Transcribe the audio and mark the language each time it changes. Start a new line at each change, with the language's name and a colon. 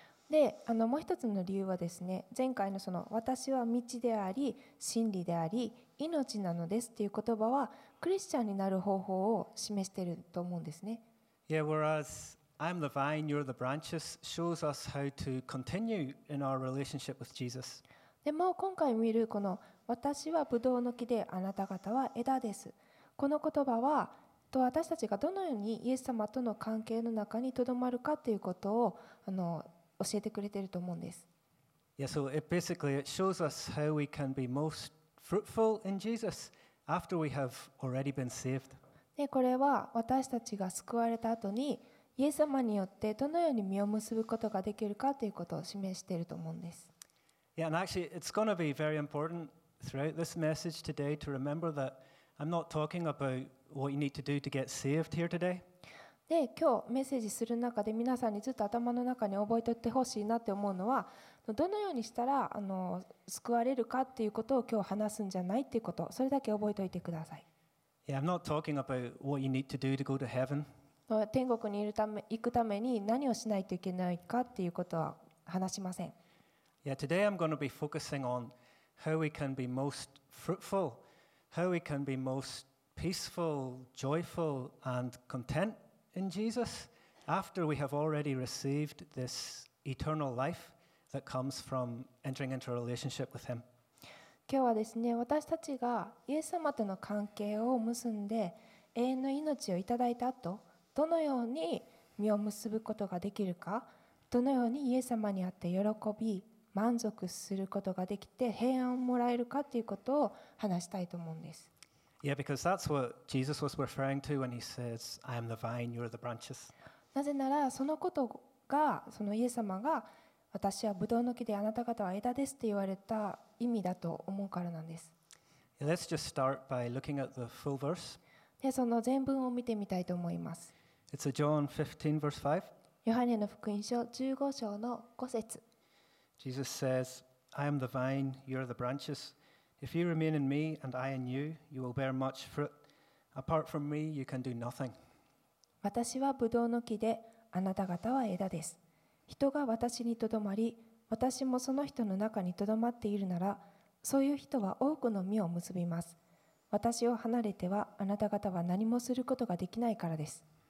Japanese: で、もう一つの理由はですね、前回のその私は道であり真理であり命なのですっていう言葉はクリスチャンになる方法を示していると思うんですね。
English: Yeah, whereas I'm the vine, you're the branches, shows us how to continue in our relationship with Jesus.
Japanese: でも今回見るこの私はブドウの木であなた方は枝です。この言葉はと私たちがどのようにイエス様との関係の中にとどまるかということを教えてくれていると思うんです。
English: Yeah, so it basically it shows us how we can be most fruitful in Jesus after we have already been saved.
Japanese: でこれは私たちが救われた後にイエス様によってどのように実を結ぶことができるかということを示していると思うんです。
English: Yeah, and actually, it's going to be very important throughout this message today to remember that I'm not talking about what you need to do to get saved here today.
Japanese: で、今日メッセージする中で皆さんにずっと頭の中に覚えておいてほしいなって思うのは、どのようにしたら救われるかということを今日話すんじゃないということ、それだけ覚えておいてください。
English: Yeah, I'm not talking about what you need to do to go to heaven.
Japanese: 天国に行くために何をしないといけないかっていうことは話しません。
English: Yeah, today I'm going to be focusing on how we can be most fruitful, how we can be most peaceful, joyful, and content in Jesus after we have already received this eternal life that comes from entering into a relationship with Him.
Japanese: 今日はですね、私たちがイエス様との関係を結んで永遠の命をいただいた後、どのように実を結ぶことができるか、どのようにイエス様に会って喜び満足することができて平安をもらえるかということを話したいと思うんです。
English: Yeah, because that's what Jesus was referring to when he says I am the vine, you are the branches.
Japanese: なぜならそのことがそのイエス様が私はブドウの木であなた方は枝ですって言われた意味だと思うからなんです。
English: Let's just start by looking at the full verse.
Japanese: で、その全文を見てみたいと思います。
English: It's a John 15 verse 5.
Japanese: ヨハネの福音書15章の5節。
English: Jesus says, I am the vine, you are the branches. If you remain in me and I in you, you will bear much fruit. Apart from me, you can do nothing.
Japanese: 私はブドウの木で、あなた方は枝です。人が私にとどまり、私もその人の中にとどまっているなら、そういう人は多くの実を結びます。私を離れては、あなた方は何もすることができないからです。